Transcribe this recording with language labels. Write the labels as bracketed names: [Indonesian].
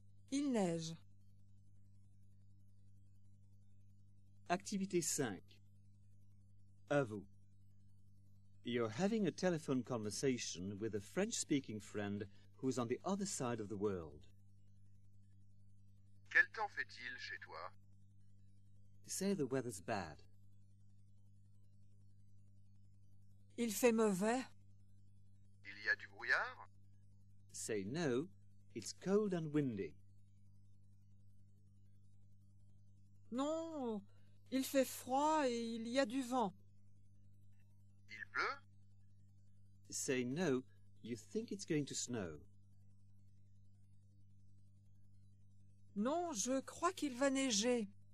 [French] Il neige. Activité 5. À vous. [English] You're having a telephone conversation with a French-speaking friend who is on the other side of the world. [French] Quel temps fait-il chez toi? [English] Say the weather's bad. [French] Il fait mauvais. Il y a du brouillard? [English] Say no, it's cold and windy. [French] Non! Il fait froid et il y a du vent. Il pleut? [English] Say no, you think it's going to snow. [French] Non, je crois qu'il va neiger.